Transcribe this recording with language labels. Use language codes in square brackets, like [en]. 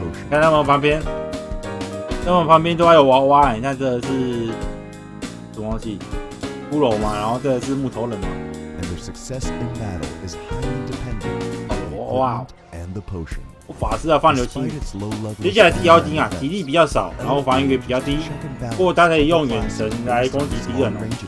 [zh] 看他们旁边，他们旁边都还有娃娃、欸。你看这个是什么东西？骷髅嘛，然后这个是木头人嘛。 [en] And their success in battle is highly dependent on the equipment and the potion. [zh] 我法师啊，放流星雨。接下来是妖精啊，体力比较少，然后防御也比较低，不过他可以用远神来攻击敌人哦。